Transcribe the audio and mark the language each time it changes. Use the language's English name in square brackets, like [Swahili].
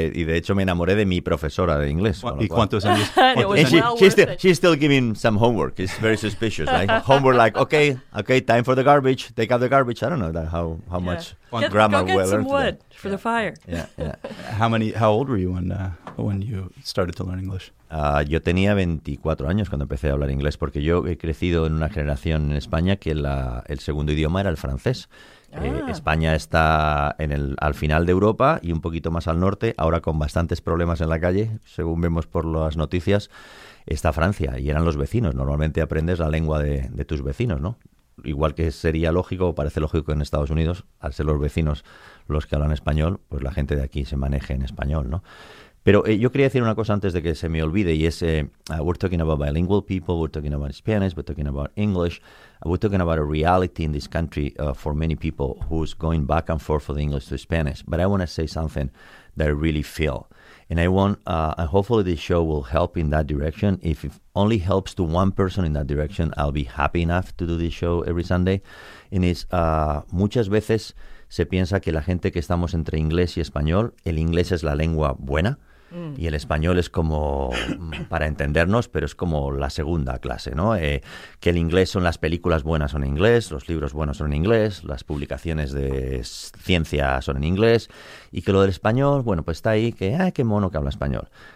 [Spanish] Y de hecho me enamoré de mi profesora de inglés. ¿Y cuántos años? [English] She's still giving some homework. It's very suspicious, right? Homework like, okay, time for the garbage. Take out the garbage. I don't know how much grammar we learned. Go get some wood for the fire. How old were you when you started to learn English? [Spanish] Yo tenía 24 años cuando empecé a hablar inglés, porque yo he crecido en una generación en España que el segundo idioma era el francés. España está al final de Europa y un poquito más al norte, ahora con bastantes problemas en la calle, según vemos por las noticias, está Francia y eran los vecinos. Normalmente aprendes la lengua de tus vecinos, ¿no? Igual que sería lógico, o parece lógico en Estados Unidos, al ser los vecinos los que hablan español, pues la gente de aquí se maneje en español, ¿no? Pero yo quería decir una cosa antes de que se me olvide, y es, [English] we're talking about bilingual people, we're talking about Spanish, we're talking about English, we're talking about a reality in this country for many people who's going back and forth from English to Spanish. But I want to say something that I really feel, and I want, and hopefully this show will help in that direction. If it only helps to one person in that direction, I'll be happy enough to do this show every Sunday. And it's, [Spanish] muchas veces se piensa que la gente que estamos entre inglés y español, el inglés es la lengua buena, y el español es como para entendernos, pero es como la segunda clase, ¿no? Que el inglés son las películas buenas son en inglés, los libros buenos son en inglés, las publicaciones de ciencia son en inglés, y que lo del español, bueno, pues está ahí, que ¡ay, qué mono que habla español!